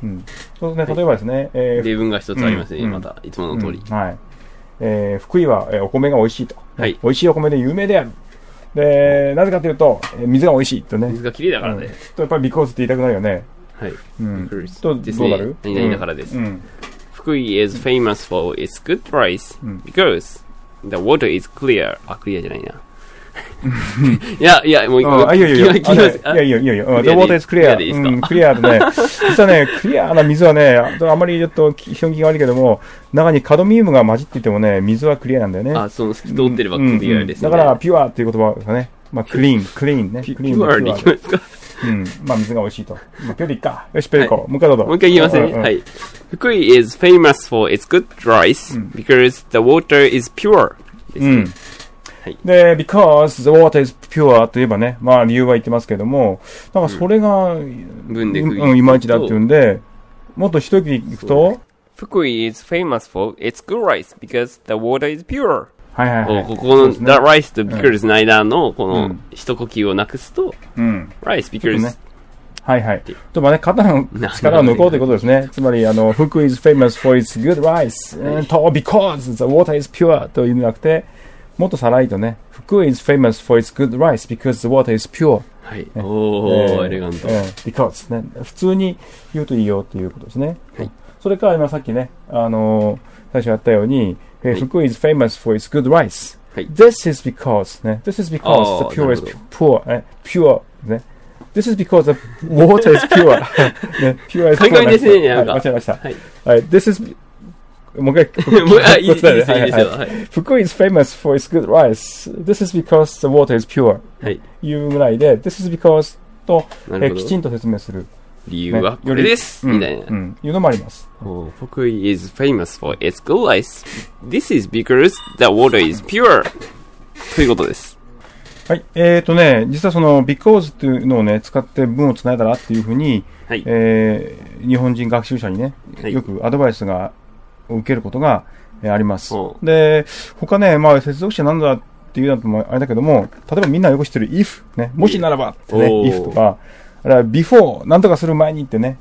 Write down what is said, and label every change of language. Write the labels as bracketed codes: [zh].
[ja] うん、そうですね、例えばですね、はい、例文が一つありますね、うん、またいつもの通り、うん、はい、福井は、お米が美味しいと、はい、美味しいお米で有名である。でなぜかというと、水が美味しいとね、水がきれいだからね、うん、とやっぱりビコーズって言いたくなるよね。はい、うん、とですね、どうなる、何々だからです、うん、 [en] 福井 is famous for its good rice、うん、because the water is clear、 [ja] あ、クリアじゃないないや、もう一個。あ、いやいやいや。いやいやいや。 [en] The water is clear. [ja] クリアでね。実はね、クリアな水はね、あまりちょっと基本気が悪いけども、中にカドミウムが混じっていてもね、水はクリアなんだよね。あ、その透き通ってればクリアですね。だから、ピュアっていう言葉がね、まあ、クリーン、クリーンね。ピュアに行きますか。うん。まあ、水が美味しいと。ピュアでいっか。よし、ピュアでいこう。もう一回どうぞ。もう一回言いますね。はい。 [en] 福井 is famous for its good rice because the water is pure. [ja] うん。で、 [en] because the water is pure [ja] といえばね、まあ理由は言ってますけども、なんかそれが、うん、いまいちだっていうんで、もっと一息いくと、 [en] 福井 is famous for its good rice because the water is pure。 [ja] はいはいはい。ここの、ね、 [en] that rice [ja] と because の間のこの一呼吸をなくすと、うん、 [en] rice because、ね。 [ja] はいはい。とまあね、肩の力を抜こうということですね。つまり、 [en] 福井 is famous for its good rice と because the water is pure [ja] というのではなくて、もっとさらいとね、 [en] 福井 is famous for its good rice because the water is pure。 [ja] はい。ね、おー、エレガント。 because ね、普通に言うといいよということですね。はい。それから今さっきね、最初やったように、はい、 [en] 福井 is famous for its good rice。 [ja] はい。 [en] This is because ね、this is because the pure is pure、ね、pure ね。 This is because the water is pure 、 [ja] ね。 [en] pure is pure。 [ja] ですね、はい、間違えました。はい。はい、 [en] this is、 [ja] もう一回、はい、いいですよ。 [en] 福井 is famous for its good rice. This is because the water is pure. [ja] はい。いうぐらいで、 [en] This is because [ja] ときちんと説明する。理由はこれです、ね、みたいな、うん。うん。いうのもあります。 [en] 福井 is famous for its good rice. This is because the water is pure. [ja] ということです。はい。ね、実はその because っていうのをね、使って文をつないだらっていうふうに、はい、日本人学習者にね、よくアドバイスが、はい、受けることがあります。で、他ね、まあ接続詞なんだっていうのもあれだけども、例えばみんなよく知ってる if ね、もしならばってね、if とか、あれは before なんとかする前にってね、